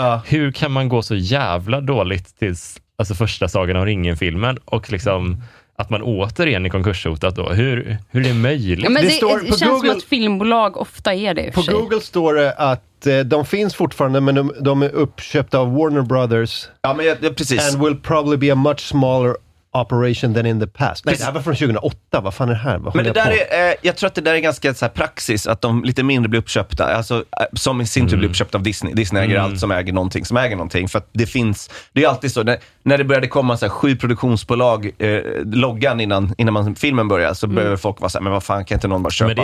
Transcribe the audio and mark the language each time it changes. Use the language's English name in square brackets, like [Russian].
[Swedish] Hur kan man gå så jävla dåligt tills, alltså första Sagan om ringen-filmen och liksom att man återigen är konkurshotat då. Hur är det möjligt? Ja, men det känns Google, som att filmbolag ofta är det. På Google står det att de finns fortfarande, men de är uppköpta av Warner Brothers. Ja, men precis. [English] And will probably be a much smaller operation than in the past. [Swedish] Nej, det här var från 2008. Vad fan är det här? Men det där jag tror att det där är ganska så här praxis att de lite mindre blir uppköpta. Alltså, som i sin tur blir uppköpta av Disney. Disney äger allt som äger någonting. För att det finns, det är alltid så. När det började komma så här, 7 produktionsbolag loggan innan man, filmen börjar, så behöver folk vara så här, men vad fan, kan inte någon bara köpa allting?